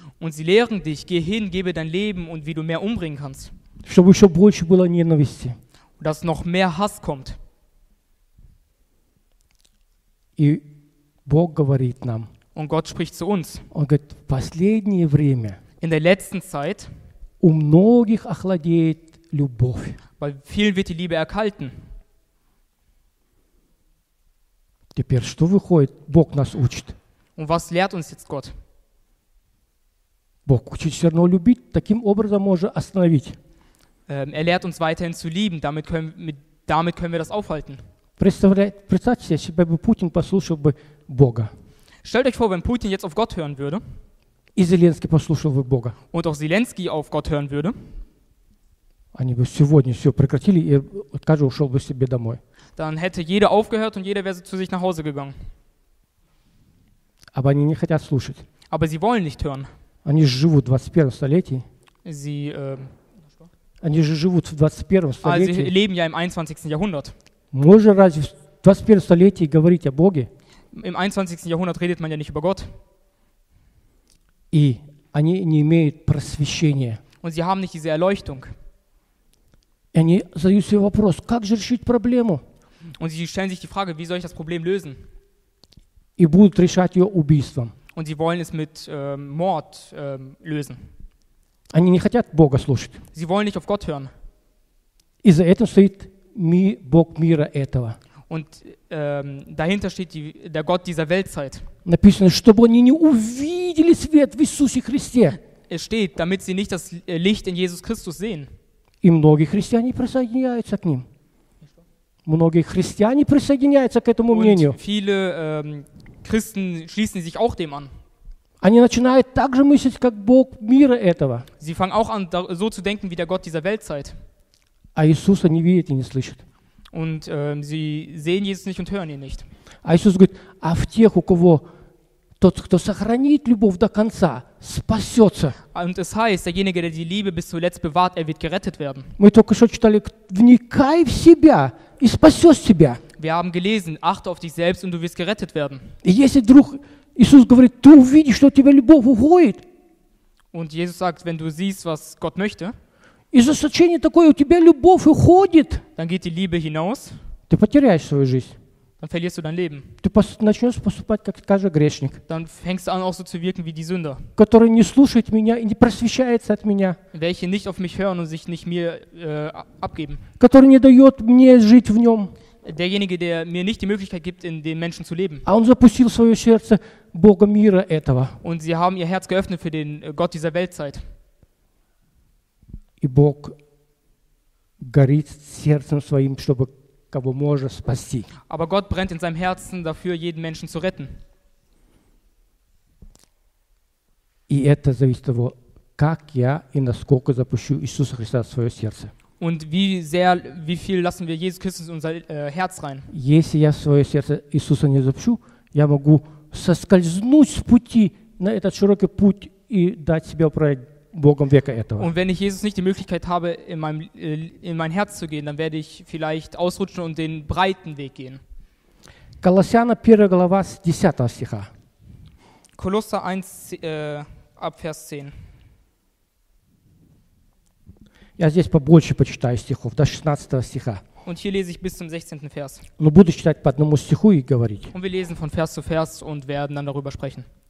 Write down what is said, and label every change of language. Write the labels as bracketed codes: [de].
[de] Und sie lehren dich, geh hin, gebe dein Leben und wie du mehr umbringen kannst. [ru] Чтобы еще больше было ненависти. [de] Dass noch mehr Hass kommt. [ru] И Бог говорит нам. [de] Und Gott spricht zu uns. [ru] Он говорит, в последнее время. [de] In der letzten Zeit. [ru] У многих охладеет любовь. [de] Bei vielen wird die Liebe erkalten. [ru] Теперь что выходит? Бог нас учит. [de] Und was lehrt uns jetzt Gott? [ru] Бог учит все равно любить, таким образом можно остановить. [de] Er lehrt uns weiterhin zu lieben, damit können wir das aufhalten. [ru] Представьте, если бы Путин послушал бы Бога. [de] Stellt euch vor, wenn Putin jetzt auf Gott hören würde. [ru] И Зеленский послушал бы Бога. [de] Und auch Zelensky auf Gott hören würde. [ru] Они бы сегодня все прекратили и каждый ушел бы себе домой. [de] Dann hätte jeder aufgehört und jeder wäre zu sich nach Hause gegangen. Aber [ru] они не хотят слушать. [de] Aber sie wollen nicht hören. [ru] Они же живут в 21 столетии. [de] Sie, [ru] они же живут в 21 столетии. [de] Sie leben ja im 21. Jahrhundert. [ru] Можно разве в 21 столетии говорить о Боге? [de] Im 21. Jahrhundert redet man ja nicht über Gott. [ru] И они не имеют просвещения. [de] Und sie haben nicht diese Erleuchtung. [ru] И они задают себе вопрос, как же решить проблему? [de] Und sie stellen sich die Frage, wie soll ich das Problem lösen? [ru] И будут решать ее убийством. [de] Und sie wollen es mit Mord lösen. [ru] Они не хотят Бога слушать. [de] Sie wollen nicht auf Gott hören. [ru] И за этим стоит Бог мира этого. [de] Und dahinter steht der Gott dieser Weltzeit. [ru] Написано, чтобы они не увидели свет в Иисусе Христе. [de] Es steht, damit sie nicht das Licht in Jesus Christus sehen. [ru] И многие христиане присоединяются к ним. Многие христиане присоединяются к этому мнению. [de] Viele Christen schließen sich auch dem an. [ru] Они начинают так же мыслить, как Бог мира этого. [de] Sie fangen auch an, so zu denken wie der Gott dieser Weltzeit. [ru] А Иисуса не видят и не слышат. [de] Und sie sehen Jesus nicht und hören ihn nicht. [ru] А Иисус говорит: а в тех, у кого тот, кто сохранит любовь до конца, спасется. [de] Und es heißt, derjenige, der die Liebe bis zuletzt bewahrt, er wird gerettet werden. [ru] Мы только что читали: вникай в себя и спасешь себя. [de] Wir haben gelesen: achte auf dich selbst und du wirst gerettet werden. [ru] И если вдруг Иисус говорит: ты увидишь, что тебя любовь уходит. [de] Und Jesus sagt, wenn du siehst, was Gott möchte, [ru] из-за сочинения такое у тебя любовь уходит, [de] dann geht die Liebe hinaus, [ru] ты потеряешь свою жизнь. [de] Dann verlierst du dein Leben. [ru] Ты начнешь поступать как каждый грешник. [de] Dann fängst du an, auch so zu wirken wie die Sünder. [ru] Который не слушает меня и не просвещается от меня. [de] Welche nicht auf mich hören und sich nicht mir abgeben. [ru] Который не дает мне жить в нем. [de] Derjenige, der mir nicht die Möglichkeit gibt, in den Menschen zu leben. [ru] А он запустил свое сердце Бога мира этого. [de] Und sie haben ihr Herz geöffnet für den Gott dieser Weltzeit. [ru] И Бог горит сердцем своим, чтобы кого можно спасти. [de] Aber Gott brennt in seinem Herzen dafür, jeden Menschen zu retten. [ru] И это зависит от того, как я и насколько запущу Иисуса Христа в свое сердце. [de] Und wie viel lassen wir Jesus Christus in unser Herz rein? [ru] Если я в свое сердце Иисуса не запущу, я могу соскользнуть с пути на этот широкий путь и дать себя управлять. [de] Und wenn ich Jesus nicht die Möglichkeit habe, in mein Herz zu gehen, dann werde ich vielleicht ausrutschen und den breiten Weg gehen. [ru] Kolosser 1, глава, 10 стиха. [de] Kolosser 1, ab Vers 10. [ru] Я здесь побольше почитаю стихов, до 16 стиха. [de] Und hier lese ich bis zum 16. Vers. [ru] Но буду читать по одному стиху и говорить. [de] Und wir lesen von Vers zu Vers und werden dann darüber sprechen.